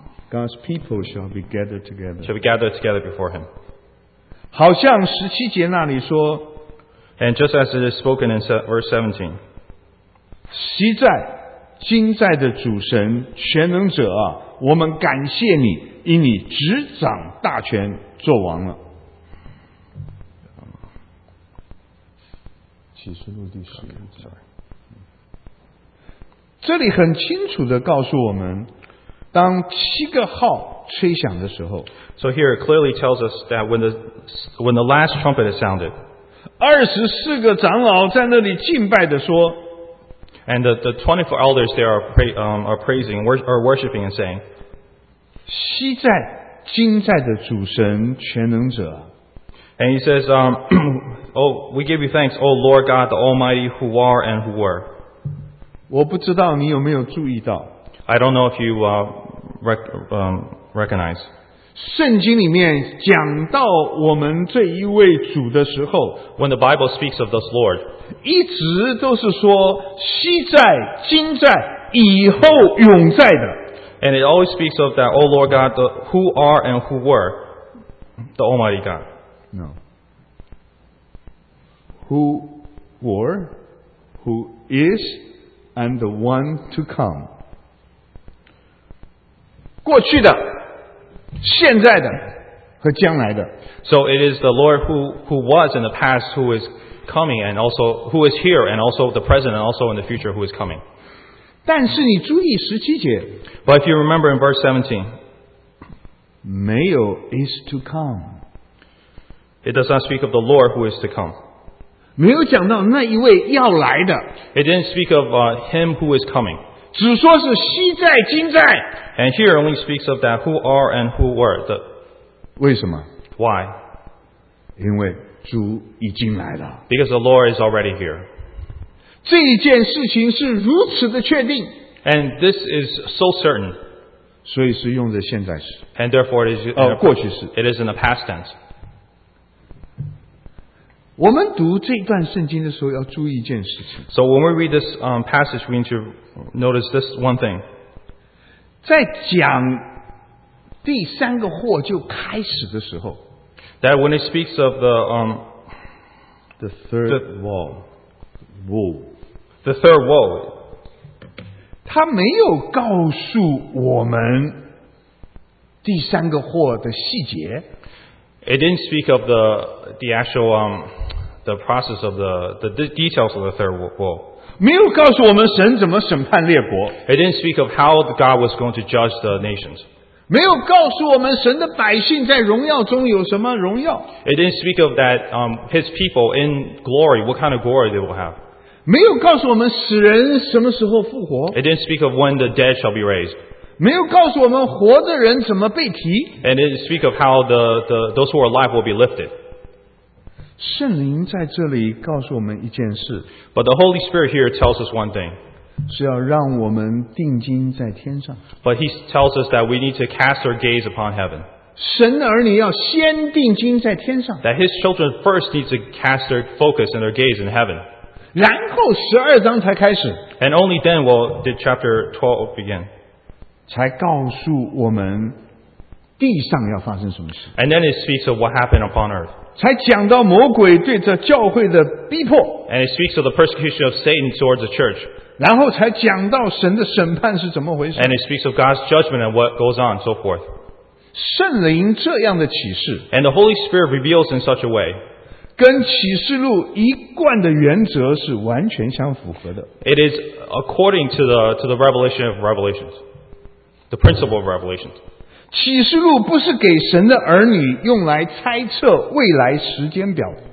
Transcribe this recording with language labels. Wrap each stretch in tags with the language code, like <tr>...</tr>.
<en>God's people shall be gathered together. Shall be gathered together before him.</en> <zh>好像十七节那里说</zh> <en>And just as it is spoken in verse 17.</en> <zh>昔在今在的主神全能者啊我们感谢你因你执掌大权做王了。启示录第十一 这里很清楚地告诉我们当七个号吹响的时候</zh> <en>So here it clearly tells us that when the last trumpet is sounded</en> <zh>二十四个长老在那里敬拜的说</zh> <en>And the 24 elders there are praising or worshiping and saying</en> <zh>昔在今在的主神全能者</zh> <en>And he says we give you thanks O Lord God the Almighty who are and who were</en> <zh>我不知道你有没有注意到</zh> <en>I don't know if you recognize.</en> <zh>圣经里面讲到我们这一位主的时候</zh> <en>When the Bible speaks of this Lord,</en> <zh>一直都是说昔在、今在、以后永在的。</zh> <en>And it always speaks of that, O Lord God, the who are and who were, the Almighty God. No. Who were, who is, and the one to come.</en> <zh>过去的现在的和将来的</zh> <en>So it is the Lord who was in the past who is coming and also who is here and also the present and also in the future who is coming</en> <zh>但是你注意十七节。</zh> <en>But if you remember in verse 17,</en> <zh>没有</zh> <en>is to come. It does not speak of the Lord who is to come.</en> <zh>没有讲到那一位要来的。</zh> <en>It didn't speak of him who is coming.</en> <zh>只说是昔在今在。</zh> <en>And here only speaks of that who are and who were.</en> <zh>为什么？</zh> <en>Why?</en> <zh>因为主已经来了。</zh> <en>Because the Lord is already here.</en> <zh>这一件事情是如此的确定。</zh> <en>And this is so certain.</en> <zh>所以是用的现在时。</zh> <en>And therefore it is,</en> <zh>过去时。</zh> <en>It is in the past tense.</en> <zh>我们读这段圣经的时候要注意一件事情。</zh> <en>So when we read this passage, we need to notice this one thing.</en> <zh>在讲第三个祸就开始的时候。</zh> <en>That when it speaks of the third woe. The third woe.</en> <zh>他没有告诉我们第三个祸的细节。</zh> <en>It didn't speak of the actual the process of the details of the third woe.</en> <zh>没有告诉我们神怎么审判列国。</zh> <en>It didn't speak of how God was going to judge the nations.</en> <zh>没有告诉我们神的百姓在荣耀中有什么荣耀。</zh> <en>It didn't speak of that his people in glory, what kind of glory they will have.</en> <zh>没有告诉我们死人什么时候复活。</zh> <en>It didn't speak of when the dead shall be raised.</en> <zh>没有告诉我们活的人怎么被提。</zh> <en>And it didn't speak of how those who are alive will be lifted.</en> <zh>圣灵在这里告诉我们一件事。</zh> <en>But the Holy Spirit here tells us one thing.</en> <zh>是要让我们定睛在天上。</zh> <en>But he tells us that we need to cast our gaze upon heaven.</en> <zh>神的儿女要先定睛在天上。</zh> <en>That his children first need to cast their focus and their gaze in heaven.</en> <zh>然后十二章才开始。</zh> <en>And only then will the chapter 12 begin.</en> <zh>才告诉我们地上要发生什么事。</zh> <en>And then it speaks of what happened upon earth.</en> <zh>才讲到魔鬼对着教会的逼迫。</zh> <en>And it speaks of the persecution of Satan towards the church.</en> <zh>然后才讲到神的审判是怎么回事。</zh> <en>And it speaks of God's judgment and what goes on, so forth.</en> <zh>圣灵这样的启示。</zh> <en>And the Holy Spirit reveals in such a way.</en> <zh>跟启示录一贯的原则是完全相符合的。</zh> <en>It is according to the revelation of revelations. The principle of revelations.</en> <zh>启示录不是给神的儿女用来猜测未来时间表。</zh>